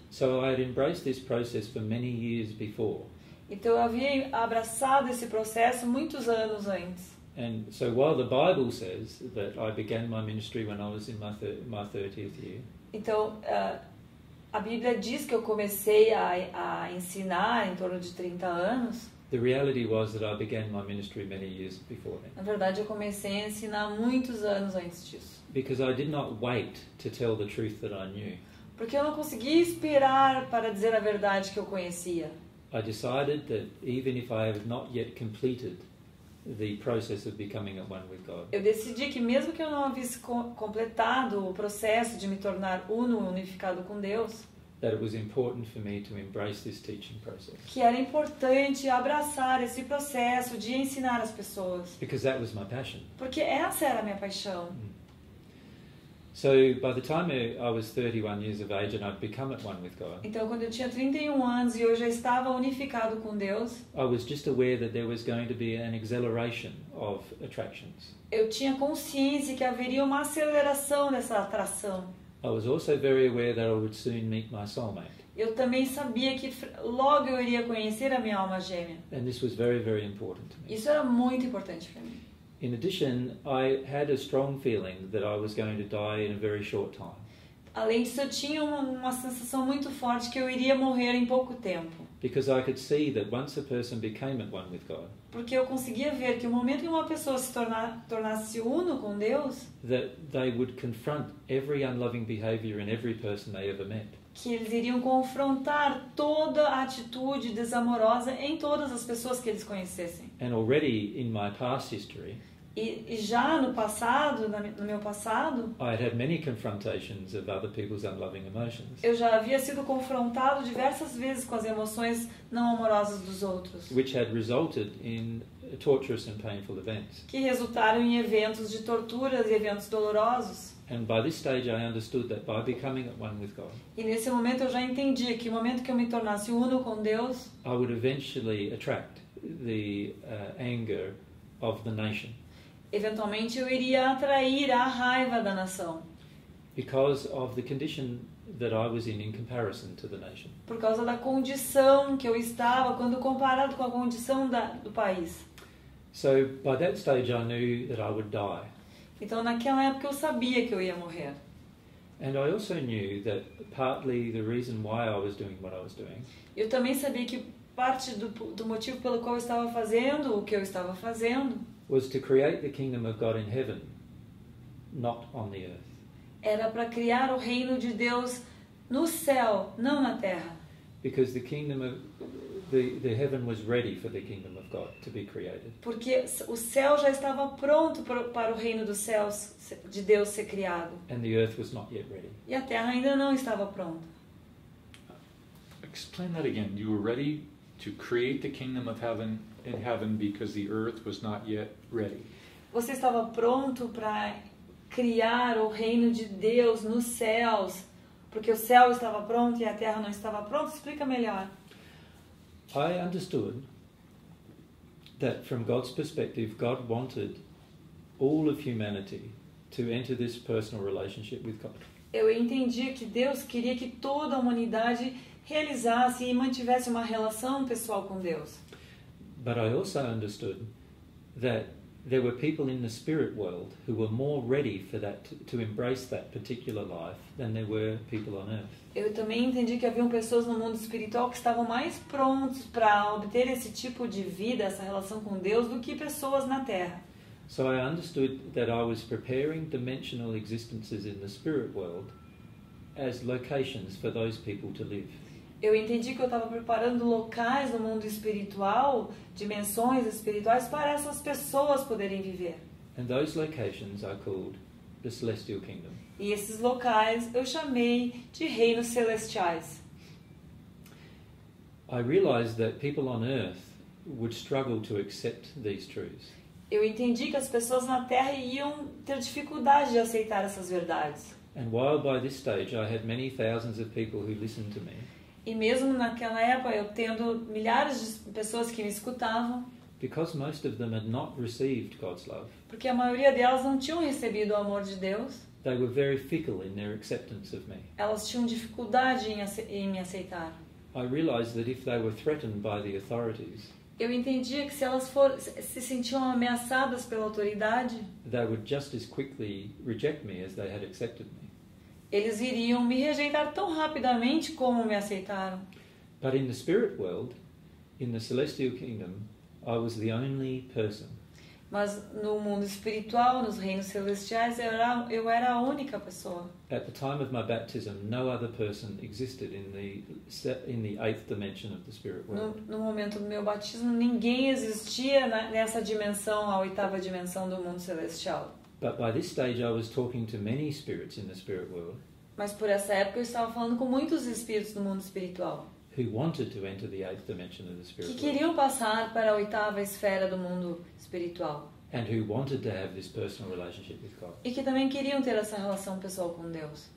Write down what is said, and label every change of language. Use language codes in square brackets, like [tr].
[en] So I had embraced this process for many years before. [pt] Então eu havia abraçado esse processo muitos anos antes. [en] And so while the Bible says that I began my ministry when I was in my 30th year. [pt] Então, a Bíblia diz que eu comecei a ensinar em torno de 30 anos. [en] The reality was that I began my ministry many years before then. [pt] Na verdade, eu comecei a ensinar muitos anos antes disso. [en] Because I did not wait to tell the truth that I knew. [pt] Porque eu não consegui esperar para dizer a verdade que eu conhecia. [en] I decided that even if I have not yet completed the process of becoming at one with God. [pt] Eu decidi que mesmo que eu não havia completado o processo de me tornar uno, unificado com Deus, [en] that it was important for me to embrace this teaching process. [pt] Que era importante abraçar esse processo de ensinar as pessoas. [en] Because that was my passion. [pt] Porque essa era a minha paixão. [en] So by the time I was 31 years of age and I'd become at one with God. [pt] Então quando eu tinha 31 anos e eu já estava unificado com Deus. [en] I was just aware that there was going to be an acceleration of attractions. [pt] Eu tinha consciência que haveria uma aceleração dessa atração. [en] I was also very aware that I would soon meet my soulmate. [pt] Eu também sabia que logo eu iria conhecer a minha alma gêmea. [en] And this was very, very important to me. [pt] Isso era muito importante para mim. [en] In addition, I had a strong feeling that I was going to die in a very short time. [pt] Além disso, eu tinha uma sensação muito forte que eu iria morrer em pouco tempo. [en] Because I could see that once a person became at one with God. [pt] Porque eu conseguia ver que o momento em que uma pessoa se tornasse uno com Deus, [en] that they would confront every unloving behavior in every person they ever met. [pt] Que eles iriam confrontar toda a atitude desamorosa em todas as pessoas que eles conhecessem. [en] And already in my past history, [pt] e já no passado, no meu passado, [en] I had many confrontations of other people's unloving emotions. [pt] Eu já havia sido confrontado diversas vezes com as emoções não amorosas dos outros. [en] Which had resulted in torturous and painful events. [pt] Que resultaram em eventos de tortura e eventos dolorosos. [en] And by this stage I understood that by becoming at one with God. [pt] E nesse momento eu já entendi que o momento que eu me tornasse uno com Deus, [en] I would eventually attract the anger of the nation. [pt] Eventualmente eu iria atrair a raiva da nação. [en] Because of the condition that I was in comparison to the nation. [pt] Por causa da condição que eu estava quando comparado com a condição do país. [en] So by that stage I knew that I would die. [pt] Então naquela época eu sabia que eu ia morrer. [en] And I also knew that partly the reason why I was doing what I was doing. [pt] Eu também sabia que parte do motivo pelo qual eu estava fazendo o que eu estava fazendo [en] was to create the kingdom of God in heaven, not on the earth. [pt] Era para criar o reino de Deus no céu, não na terra. [en] Because the kingdom of the heaven was ready for the kingdom of God to be created. [pt] Porque o céu já estava pronto para o reino dos céus de Deus ser criado. [en] And the earth was not yet ready. [pt] E a terra ainda não estava pronta. [en] Explain that again. You were ready to create the kingdom of heaven in heaven because the earth was not yet ready. [pt] Você estava pronto para criar o reino de Deus nos céus, porque o céu estava pronto e a terra não estava pronta. Explica melhor. [en] I understood that from God's perspective, God wanted all of humanity to enter this personal relationship with God. [pt] Eu entendi que Deus queria que toda a humanidade realizasse e mantivesse uma relação pessoal com Deus. [en] But I also understood that there were people in the spirit world who were more ready for that to embrace that particular life than there were people on earth. [pt] Eu também entendi que haviam pessoas no mundo espiritual que estavam mais prontos para obter esse tipo de vida, essa relação com Deus, do que pessoas na Terra. [en] So I understood that I was preparing dimensional existences in the spirit world as locations for those people to live. [pt] Eu entendi que eu estava preparando locais no mundo espiritual, dimensões espirituais, para essas pessoas poderem viver. [en] And those locations are called the celestial kingdom. [pt] E esses locais eu chamei de reinos celestiais. [en] I realized that people on earth would struggle to accept these truths. [pt] Eu entendi que as pessoas na Terra iam ter dificuldade de aceitar essas verdades. [en] And while by this stage I had many thousands of people who listened to me. [pt] E mesmo naquela época eu tendo milhares de pessoas que me escutavam. [en] Because most of them had not received God's love. [pt] Porque a maioria delas não tinham recebido o amor de Deus. [en] They were very fickle in their acceptance of me. [pt] Elas tinham dificuldade em me aceitar. [en] I realized that if they were threatened by the authorities. [pt] Eu entendia que se elas se sentiam ameaçadas pela autoridade, [en] they would just as quickly reject me as they had accepted me. [pt] Eles iriam me rejeitar tão rapidamente como me aceitaram. [en] But in the spirit world, in the celestial kingdom, I was the only person. [pt] Mas no mundo espiritual, nos reinos celestiais, eu era a única pessoa. [en] At the time of my baptism, no other person existed in the eighth dimension of the spirit world. [pt] No momento do meu batismo, ninguém existia nessa dimensão, a oitava dimensão do mundo celestial. [en] But by this stage, I was talking to many spirits in the spirit world. [pt] Mas por essa época, eu estava falando com muitos espíritos do mundo espiritual. [en] Who wanted to enter the eighth dimension of the spirit world. [pt] Que queriam passar para a oitava esfera do mundo espiritual. [en] And who wanted to have this personal relationship with God. [pt] E que também queriam ter essa relação pessoal com Deus.